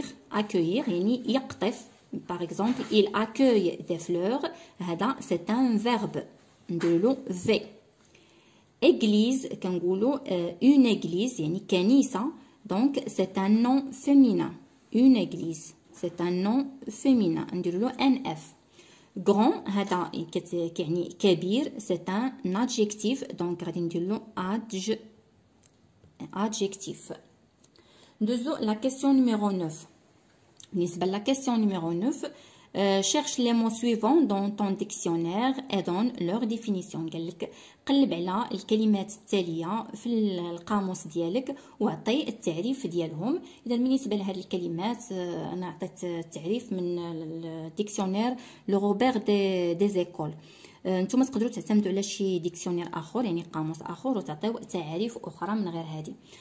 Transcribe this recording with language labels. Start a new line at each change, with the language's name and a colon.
Arabic: accueillir يعني يقطف.
French: par exemple il accueille des fleurs، هذا c'est un verbe.
Arabic: ندلو v. église كنقولو
French: une église،
Arabic: يعني كنيسة.
French: donc c'est un nom féminin. une église c'est un nom féminin.
Arabic: ندلو nf. grand هذا كيعني كبير،
French: c'est un adjectif.
Arabic: donc غادي ندلو adjectif.
French: La question numéro 9. La question numéro 9. Cherche les mots suivants dans ton dictionnaire et donne leur définition.
Arabic: قلب على الكلمات التالية في القاموس ديالك وعطي التعريف ديالهم. إذا بالنسبة لهذه الكلمات أنا عطيت التعريف من الديكسيونير لروبير دي زيكول. نتوما تقدروا تعتمدوا على شي ديكسيونير آخر، يعني قاموس آخر، وتعطيو تعريف أخرى من غير هذه.